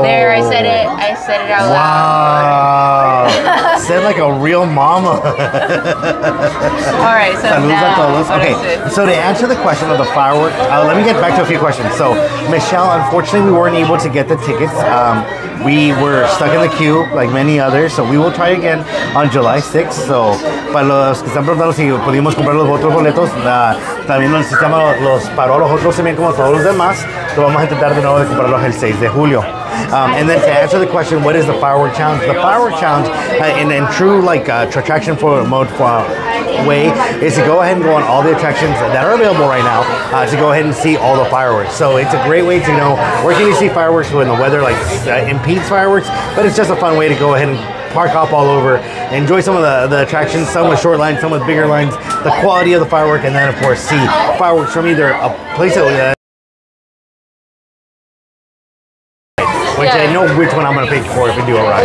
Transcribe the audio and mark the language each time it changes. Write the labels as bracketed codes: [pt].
[en] There, I said it. I said it out loud. Wow. Said like a real mama. All right, so [es] saludos [en] now, [es] a todos. [en] Okay, so to answer the question of the firework, let me get back to a few questions. So, Michelle, unfortunately, we weren't able to get the tickets. We were stuck in the queue, like many others, so we will try again on July 6th. [es] So, para los que están preguntando si pudimos comprar los otros boletos, también el sistema los paró los otros también como todos los demás. Entonces, vamos a intentar de nuevo de comprarlos el 6 de julio. [en] And then to answer the question, what is the firework challenge? The firework challenge, in true like attraction for mode way, is to go ahead and go on all the attractions that are available right now to go ahead and see all the fireworks. So it's a great way to know where can you see fireworks when the weather like impedes fireworks, but it's just a fun way to go ahead and park hop all over, enjoy some of the attractions, some with short lines, some with bigger lines, the quality of the firework, and then of course see fireworks from either a place that I know which one I'm gonna pick for if we do a ride.